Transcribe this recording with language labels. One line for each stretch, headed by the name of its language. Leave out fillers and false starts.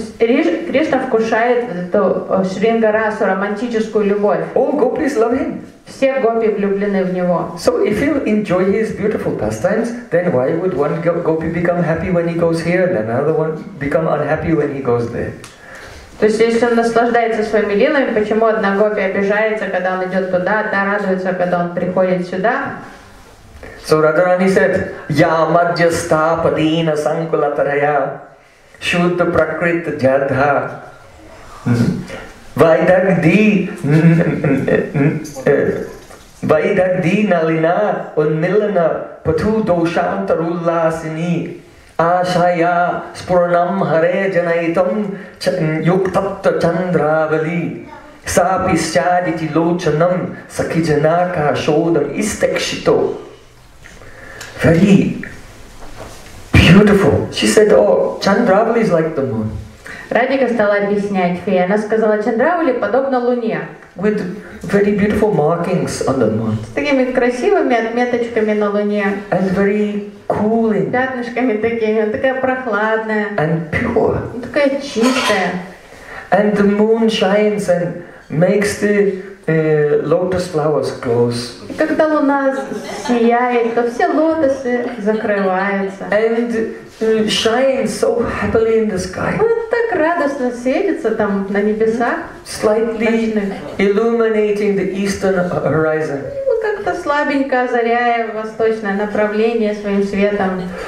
Russian: Кришна вкушает эту Шрингарасу, романтическую любовь.
English: All gopis love him.
Russian: Все гопи влюблены в него.
English: So if you enjoy his beautiful pastimes, then why would one gopi become happy when he goes here, and another one become unhappy when he goes there?
Russian: То есть если он наслаждается своими лилами, почему одна гопи обижается, когда он идет туда, та радуется, когда он приходит сюда?
English: So Radharani said,
Sanskrit: Ya madhyastha padina sankulataraya shuddha prakrita jadha vaidagdi nalina unmilana patu doshantarullasini ashaya spuranam hare janaitam yuktapta chandravali sapishyaditi lochanam sakijanaka shodam istekshito.
English: Very beautiful. She said, oh, Chandravali is like the moon.
Russian: Радика стала объяснять фее. Она сказала, Чандравали подобно луне.
English: With very beautiful markings on the moon.
Russian: С такими красивыми отметочками на луне.
English: And very cooling.
Russian: Пятнышками такими, такая прохладная.
English: And pure.
Russian: Такая чистая.
English: And the moon shines and makes the lotus flowers close.
Russian: Когда луна сияет, то все лотосы закрываются.
English: And shines so happily in the sky.
Russian: Вот так радостно светится там на небесах.
English: Slightly illuminating the eastern horizon.
Russian: Ну как-то слабенько озаряя восточное направление своим светом.